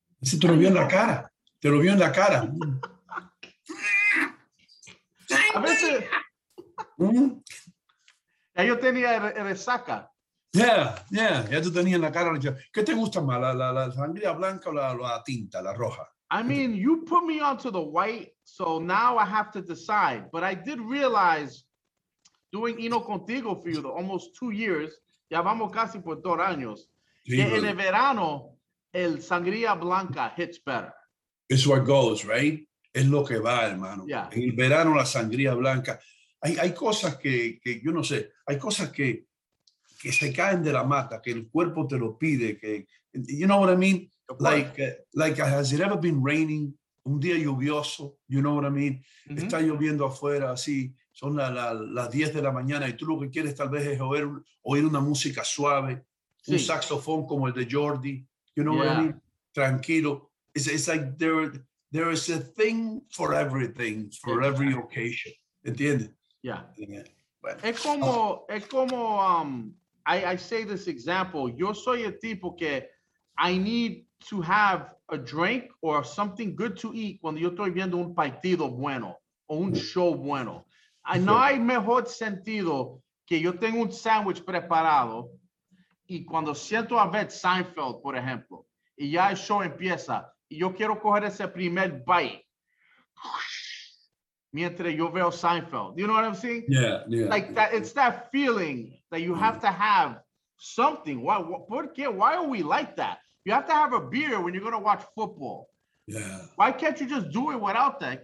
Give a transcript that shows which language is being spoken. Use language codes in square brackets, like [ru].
[es] Ese te lo vio en la cara. Te lo vio en la cara. A veces... Ya yo tenía resaca. Ya tú tenías la cara. ¿Qué te gusta más, la sangría blanca o la tinta, la roja? [en] I mean, you put me onto the white, so now I have to decide. But I did realize, doing Hino Contigo for you, the almost 2 years, [es] ya vamos casi por 2 años, sí, que en el verano, el sangría blanca [en] hits better. It's what goes, right? [es] Es lo que va, hermano. [en] Yeah. [es] En el verano, la sangría blanca. Hay cosas que yo no sé, hay cosas que se caen de la mata, que el cuerpo te lo pide, que, [en] you know what I mean? Like, has it ever been raining? [es] Un día lluvioso, [en] you know what I mean? Mm-hmm. [es] Está lloviendo afuera, así, son las 10 de la mañana, y tú lo que quieres tal vez es oír una música suave, sí. Un saxofón como el de Jordi, [en] you know what I mean? [es] Tranquilo. [en] It's like there is a thing for everything, for every occasion. [es] ¿Entiendes? Yeah. Bueno. Es como, [en] I say this example, [es] yo soy el tipo que [en] I need to have a drink or something good to eat [es] cuando yo estoy viendo un partido bueno o un show bueno. No hay mejor sentido que yo tengo un sandwich preparado y cuando siento a ver Seinfeld, por ejemplo, y ya el show empieza y yo quiero coger ese primer bite mientras yo veo Seinfeld. [en] You know what I'm saying? Yeah. Like that, it's that feeling that you have to have something. Why are we like that? You have to have a beer when you're going to watch football. Yeah. Why can't you just do it without that?